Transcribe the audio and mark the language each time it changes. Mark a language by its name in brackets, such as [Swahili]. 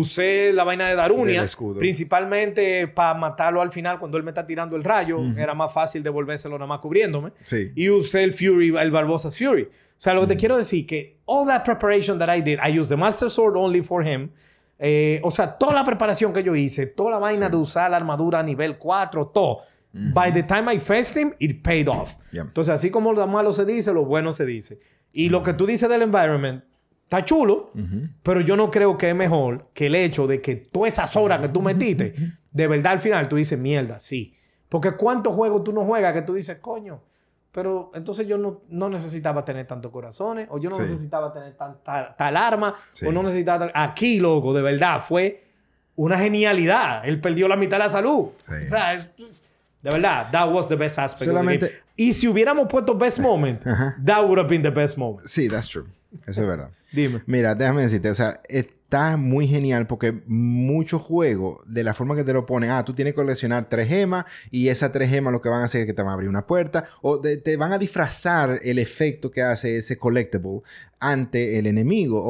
[Spanish] Usé la vaina de Darunia, principalmente para matarlo al final cuando él me está tirando el rayo. Uh-huh. Era más fácil devolvérselo nada más cubriéndome. Sí. Y usé el Fury, el Barbosa's Fury. O sea, lo que te quiero decir que [English] all that preparation that I did, I used the Master Sword only for him. [Spanish] O sea, toda la preparación que yo hice, toda la vaina de usar la armadura a nivel 4, todo. [English] By the time I faced him, it paid off. Yeah. [Spanish] Entonces, así como lo malo se dice, lo bueno se dice. Y lo que tú dices del environment, está chulo, pero yo no creo que es mejor que el hecho de que todas esas horas que tú metiste, de verdad al final tú dices, mierda, sí. Porque ¿cuántos juegos tú no juegas que tú dices, coño? Pero entonces yo no necesitaba tener tantos corazones, o yo no necesitaba tener tal arma, o no necesitaba... Aquí, loco, de verdad, fue una genialidad. Él perdió la mitad de la salud. Sí. O sea, de verdad, [English] that was the best aspect [Spanish] solamente, [English] of the game. [Spanish] Y si hubiéramos puesto [English] best moment, that would have been the best moment. [Spanish] Sí, [English] that's true. [Spanish] Eso es verdad. Dime. Mira, déjame decirte, o sea, está muy genial porque muchos juegos, de la forma que te lo ponen, tú tienes que coleccionar tres gemas y esas tres gemas lo que van a hacer es que te van a abrir una puerta o te van a disfrazar el efecto que hace ese collectible ante el enemigo.